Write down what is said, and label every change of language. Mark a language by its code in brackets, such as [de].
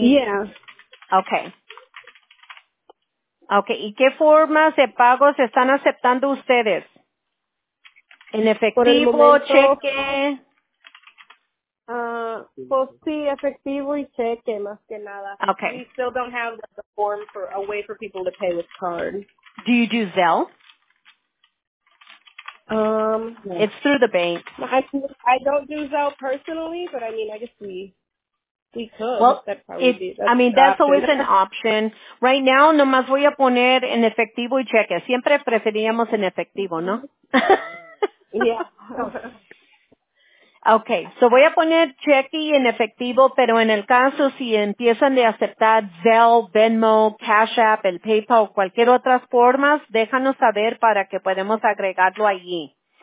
[es] Yeah. Okay. Okay, ¿y qué formas de pago se están aceptando ustedes? ¿En efectivo, por el momento, cheque? Pues sí, efectivo y cheque, más que nada. Okay. [en] We still don't have the form for a way for people to pay with card. Do you do Zelle? Yeah. It's through the bank. I don't do Zelle personally, but I mean, I guess we... Well, it, I mean, that's always an option. Right now, [es] nomás voy a poner en efectivo y cheque. Siempre preferíamos en efectivo, ¿no? Yeah. Okay, so voy a poner cheque y en efectivo, pero en el caso si empiezan de aceptar Zelle, Venmo, Cash App, el PayPal, cualquier otras formas, déjanos saber para que podamos agregarlo allí.